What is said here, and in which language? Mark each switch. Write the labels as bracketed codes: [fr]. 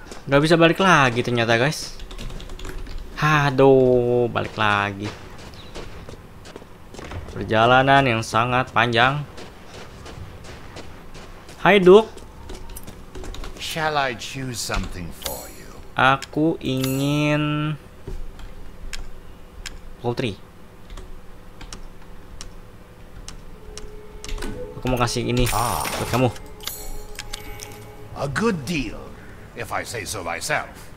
[id] Nggak bisa balik lagi ternyata, guys. Haduh, balik lagi. Perjalanan yang sangat panjang. Hai, Duk. [en] Shall I choose something for you? [id] Aku ingin poultry. Aku mau kasih ini buat kamu. [en] A good deal, if I say so myself.